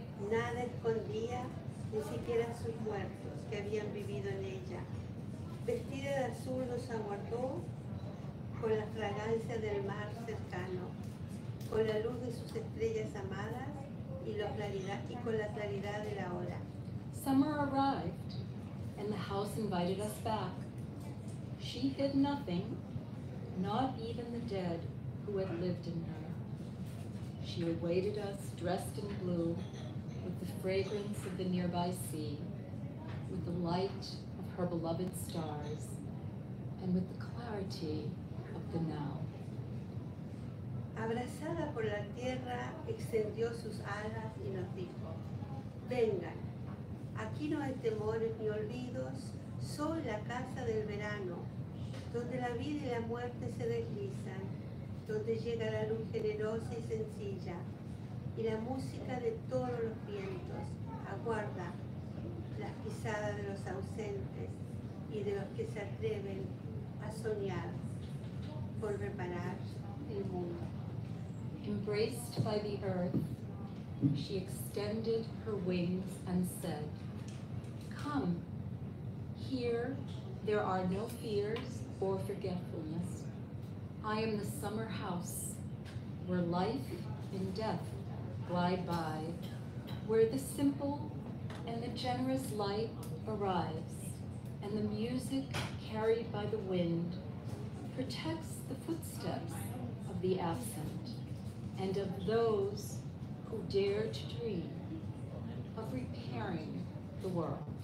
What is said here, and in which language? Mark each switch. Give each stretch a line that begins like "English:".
Spanish: Nada escondía, ni siquiera sus muertos que habían vivido en ella. Vestida de azul nos aguardó con la fragancia del mar cercano, con la luz de sus estrellas amadas y con la claridad de la hora.
English: Summer arrived and the house invited us back. She hid nothing, not even the dead who had lived in her. She awaited us dressed in blue, with the fragrance of the nearby sea, with the light of her beloved stars, and with the clarity of the now.
Spanish: Abrazada por la tierra, extendió sus alas y nos dijo, vengan, aquí no hay temores ni olvidos, soy la casa del verano, donde la vida y la muerte se deslizan, donde llega la luz generosa y sencilla, y la música de todos los vientos aguarda las pisadas de los ausentes y de los que se atreven a soñar por reparar el mundo.
English: Embraced by the earth, she extended her wings and said, come, here there are no fears or forgetfulness. I am the summer house where life and death glide by, where the simple and the generous light arrives, and the music carried by the wind protects the footsteps of the absent and of those who dare to dream of repairing the world.